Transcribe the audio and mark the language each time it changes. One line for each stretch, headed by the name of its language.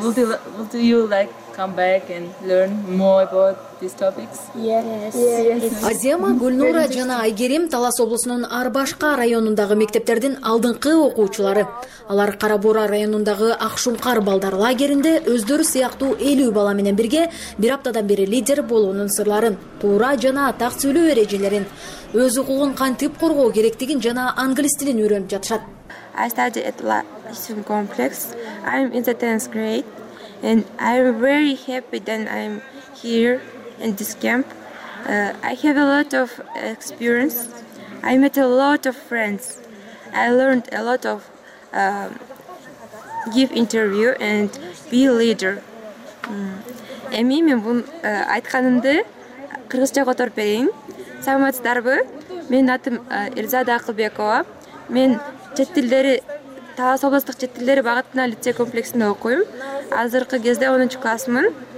English: Would you like come back and learn more about these topics? Yes.
Kyrgyz: Азема Гүлнура жана Айгерим Талас облусунун Арбашка районундагы мектептердин алдыңкы окуучулары. Алар Карабура районундагы Акшумкар балдар лагеринде өздөрү сыяктуу 50 бала менен бирге бир аптадан бери лидер болуунун сырларын, туура жана так сүйлөө эрежелерин, өз укугун кантип коргоо керектигин жана англис тилин үйрөнүп жатышат.
English: I study at Lyceum Complex. I'm in the 10th grade and I'm very happy that I'm here in this camp. I have a lot of experience. I met a lot of friends. I learned a lot of give interview and be a leader.
Kyrgyz: Эми мен бун айтканымды кыргызча которуп берейин. Саламатсыздарбы? Менин атым Ирзада Акылбекова. Мен чет тилдери Талас областык чет тилдери багытына лицей комплексинде окуйм. Азыркы кезде 10-чу классмын.